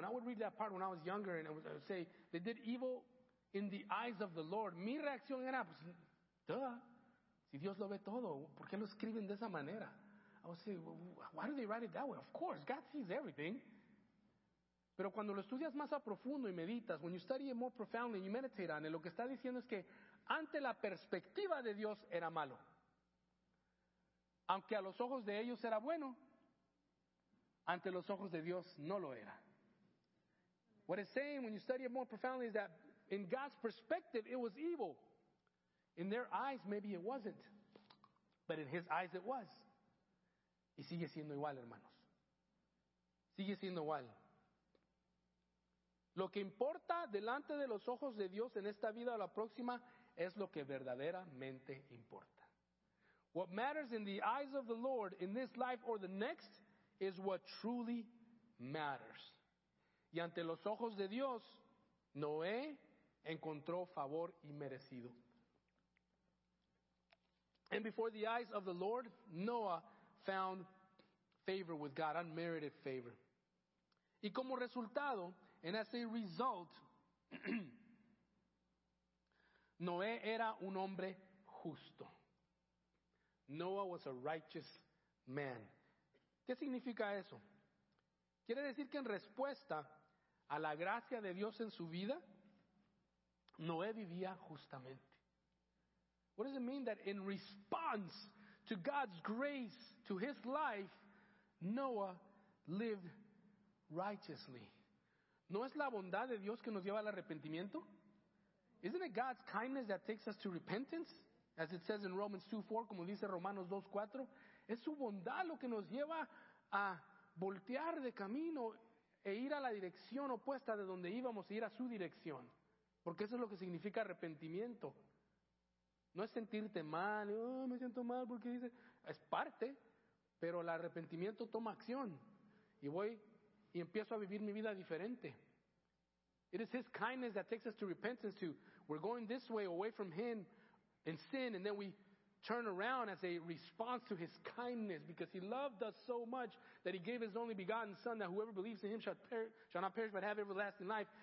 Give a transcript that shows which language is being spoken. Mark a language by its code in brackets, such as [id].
[en] When I would read that part when I was younger, and I would say, they did evil in the eyes of the Lord. [es] Mi reacción era, pues, duh, si Dios lo ve todo, ¿por qué lo escriben de esa manera? [en] I would say, why do they write it that way? Of course, God sees everything. [es] Pero cuando lo estudias más a profundo y meditas, [en] when you study it more profoundly and you meditate on it, [es] lo que está diciendo es que ante la perspectiva de Dios era malo. Aunque a los ojos de ellos era bueno, ante los ojos de Dios no lo era. [en] What it's saying when you study it more profoundly is that in God's perspective it was evil. In their eyes maybe it wasn't, but in His eyes it was. [es] Y sigue siendo igual, hermanos. Sigue siendo igual. Lo que importa delante de los ojos de Dios en esta vida o la próxima es lo que verdaderamente importa. [en] What matters in the eyes of the Lord in this life or the next is what truly matters. [es] Y ante los ojos de Dios, Noé encontró favor y merecido. [en] And before the eyes of the Lord, Noah found favor with God, unmerited favor. [es] Y como resultado, [en] and as a result, [es] Noé era un hombre justo. [en] Noah was a righteous man. [es] ¿Qué significa eso? Quiere decir que en respuesta a la gracia de Dios en su vida, Noé vivía justamente. [en] What does it mean that in response to God's grace to his life, Noah lived righteously? [es] ¿No es la bondad de Dios que nos lleva al arrepentimiento? [en] Isn't it God's kindness that takes us to repentance? As it says in Romans 2:4, [es] como dice Romanos 2:4, es su bondad lo que nos lleva a voltear de camino e ir a la dirección opuesta de donde íbamos e ir a su dirección. Porque eso es lo que significa arrepentimiento. No es sentirte mal, oh, me siento mal porque dice, es parte, pero el arrepentimiento toma acción. Y voy y empiezo a vivir mi vida diferente. [en] It is his kindness that takes us to repentance, to we're going this way away from him in sin, and then we turn around as a response to his kindness, because he loved us so much that he gave his only begotten son, that whoever believes in him shall not perish but have everlasting life.